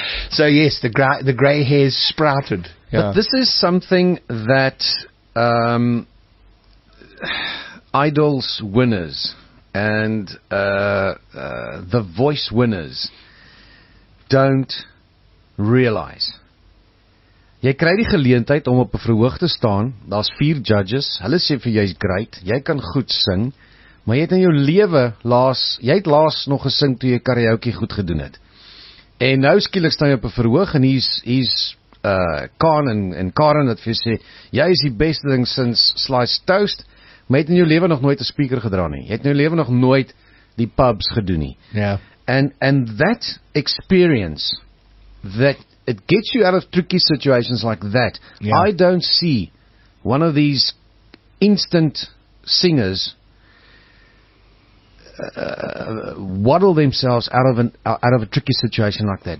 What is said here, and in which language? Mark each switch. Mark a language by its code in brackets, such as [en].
[en] So yes, the gray hairs sprouted. Yeah. But this is something that Idol's winners and the Voice winners don't realize. [af] Jy kry die geleentheid om op 'n verhoog te staan, daar's 4 judges, hulle sê vir jou jy's great, jy kan goed sing, maar jy het in jou lewe laas nog gesing toe jy karaoke goed gedoen het. En nou skielik staan jy op 'n verhoog en hier's Kaan en Karen wat vir jou sê, jy is die beste ding sinds sliced toast, maar jy het in jou lewe nog nooit 'n speaker gedra nie, jy het in jou lewe nog nooit die pubs gedoen nie. [en] Yeah. And that experience, that it gets you out of tricky situations like that. Yeah. I don't see one of these instant singers waddle themselves out of a tricky situation like that.